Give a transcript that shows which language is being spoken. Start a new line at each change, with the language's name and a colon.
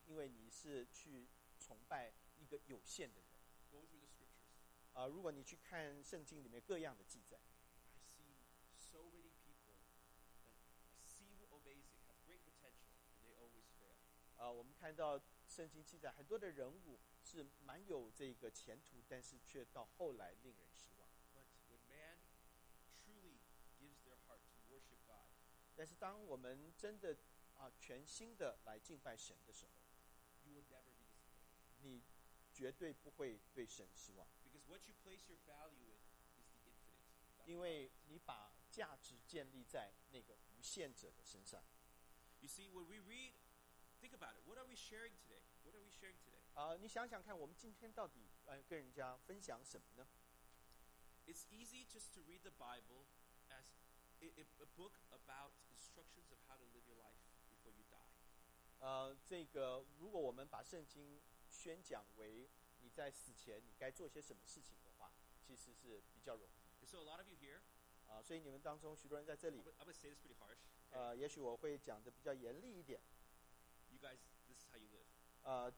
Chinese: 因为你是去崇拜一个有限的人。
English: Go through the scriptures.
Chinese: 如果你去看圣经里面各样的记载。
English: I see so many people that seem amazing, have great potential, and they always fail.
Chinese: 我们看到。圣经记载很多的人物是蛮有这个前途，但是却到后来令人失望。
English: But when man truly gives their heart to worship God,
Chinese: 但是当我们真的全心的来敬拜神的时候，
English: you will never be disappointed.
Chinese: 你绝对不会对神失望。
English: Because what you place your value in is the infinite.
Chinese: 因为你把价值建立在那个无限者的身上。
English: You see, when we readThink about it. What are we sharing today? What are we sharing today?
Chinese: 你想想看，我们今天到底跟人家分享什么呢？
English: It's easy just to read the Bible as a book about instructions of how to live your life before you die.
Chinese: 如果我们把圣经宣讲为你在死前你该做些什么事情的话，其实是比较容易。
English: So a lot of you here.
Chinese: 所以你们当中许多人在这里。
English: I'm gonna say this pretty harsh.
Chinese: 也许我会讲的比较严厉一点。
English: You guys, this is how you live.